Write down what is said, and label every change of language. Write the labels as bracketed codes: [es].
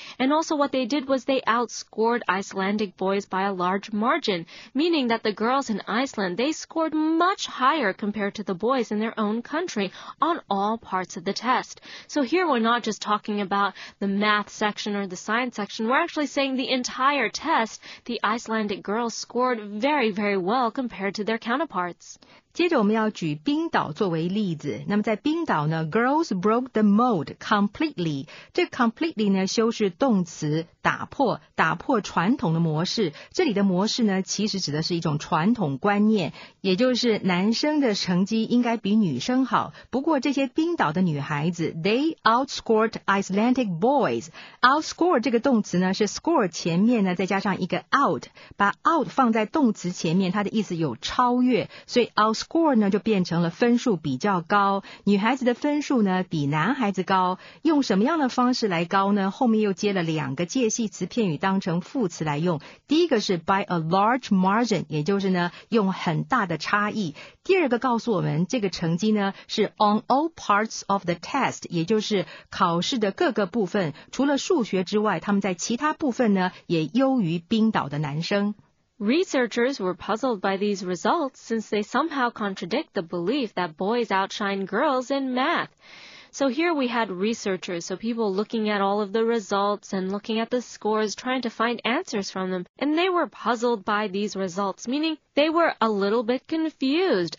[en] And also what they did was they outscored Icelandic boys by a large margin, meaning that the girls in Iceland, they scored much higher compared to the boys in their own country on all parts of the test. So here we're not just talking about the math section or the science section. We're actually saying the entire test, the Icelandic girls scored very, very well compared to their counterparts. [zh] 接着我们要举冰岛作为例子。那么在冰岛呢 , [en] girls broke the mold completely. [zh] 这 completely 呢修饰动词打破打破传统的模式。这里的模式呢其实指的是一种传统观念也就是男生的成绩应该比女生好。不过这些冰岛的女孩子 , [en] they outscored Icelandic boys. [zh] Outscore 这个动词呢是 score 前面呢再加上一个 out, 把 out 放在动词前面它的意思有超越所以 outscore Score 呢就变成了分数比较高，女孩子的分数呢比男孩子高。用什么样的方式来高呢？后面又接了两个介系词片语当成副词来用。第一个是 [en] by a large margin， [zh] 也就是呢用很大的差异。第二个告诉我们这个成绩呢是 [en] on all parts of the test， [zh] 也就是考试的各个部分，除了数学之外，他们在其他部分呢也优于冰岛的男生。 [en] Researchers were puzzled by these results since they somehow contradict the belief that boys outshine girls in math. So here we had researchers, so people looking at all of the results and looking at the scores, trying to find answers from them. And they were puzzled by these results, meaning they were a little bit confused.